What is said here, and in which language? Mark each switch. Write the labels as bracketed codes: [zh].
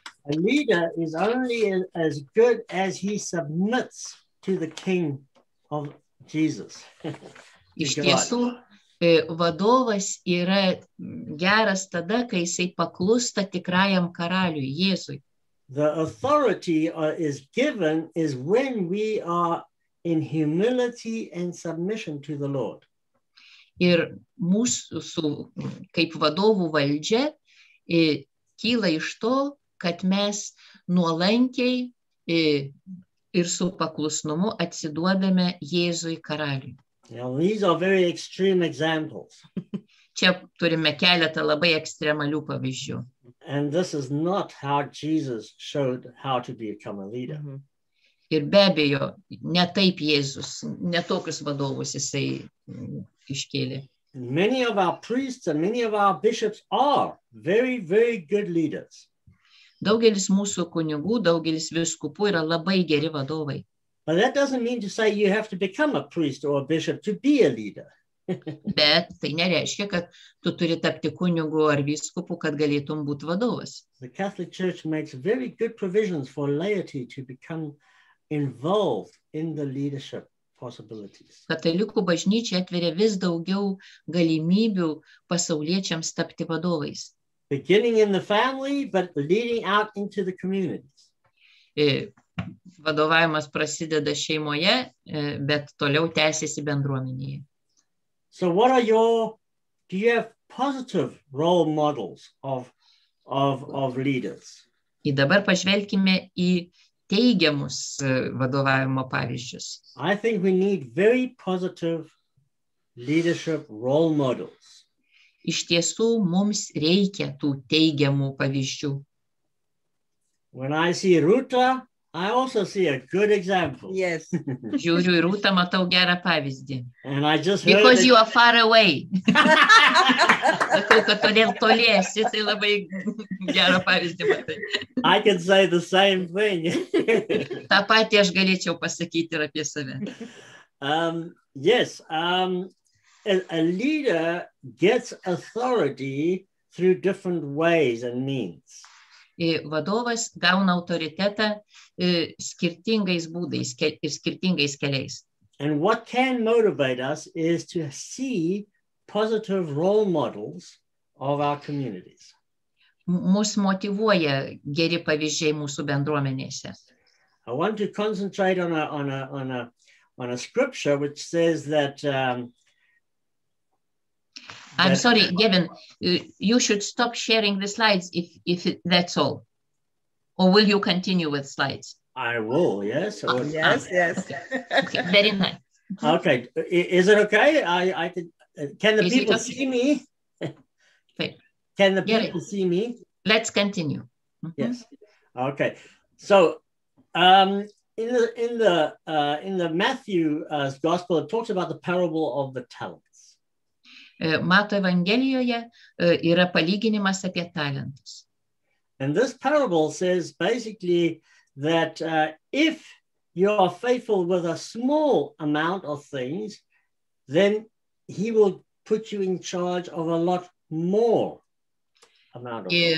[en] A leader is only as good as he submits to the king of Jesus. [lt] Iš tiesų, vadovas yra geras tada, kai jisai paklūsta tikrajam karaliui, Jėzui. [en] The authority is given is when we are in humility and submission to the Lord. [lt] Ir mūsų kaip vadovų valdžia kyla iš to, kad mes nuolankiai ir su paklusnumu atsiduodame Jėzui karaliui. [en] Now, these are very extreme examples. [lt] Čia turime keletą labai ekstremalių pavyzdžių. [en] And this is not how Jesus showed how to become a leader. [lt] Ir be abejo, ne taip Jėzus, ne tokius vadovus jisai iškėlė. [en] Many of our priests and many of our bishops are very, very good leaders. [lt] Daugelis mūsų kunigų, daugelis vyskupų yra labai geri vadovai. [en] But that doesn't mean to say you have to become a priest or a bishop to be a leader. [lt] Bet tai nereiškia, kad tu turi tapti kunigu ar vyskupu, kad galėtum būti vadovas. [en] The Catholic Church makes very good provisions for laity to become involved in the leadership possibilities. [lt] Katalikų bažnyčia atveria vis daugiau galimybių pasauliečiams tapti vadovais. [en] Beginning in the family, but leading out into the communities. [lt] Vadovavimas prasideda šeimoje, bet toliau tęsiasi bendruomenėje. [en] So what are your, do you have positive role models of leaders? [lt] I dabar pažvelkime į teigiamus vadovavimo pavyzdžius. [en] I think we need very positive leadership role models. [lt] Iš tiesų, mums reikia tų teigiamų pavyzdžių. [en] When I see Ruta, I also see a good example. Yes. [lt] Žiūriu į Rūtą, matau gerą pavyzdį. [en] And I just because heard that you are far away. [lt] Sakau, kad todėl toli esi, tai labai gerą pavyzdį matai. [en] I can say the same thing. [lt] Tą patį aš galėčiau pasakyti ir apie save. [en] Yes, a leader gets authority through different ways and means. [lt] Vadovas gauna autoritetą skirtingais būdais ir skirtingais keliais. [en] And what can motivate us is to see positive role models of our communities. [lt] Mus motyvuoja geri pavyzdžiai mūsų bendruomenėse. [en] I want to concentrate on a scripture which says that I'm sorry, Gavin, you should stop sharing the slides if that's all. Or will you continue with slides? I will, yes. Yes. Okay, very nice. Okay, is it okay? Can the is people okay? See me? Okay. Can the people see me? Let's continue. Mm-hmm. Yes. Okay. So in the Matthew's gospel, it talks about the parable of the talent. [lt] Mato Evangelijoje yra palyginimas apie talentus. [en] And this parable says basically that if you are faithful with a small amount of things, then he will put you in charge of a lot more amount of things.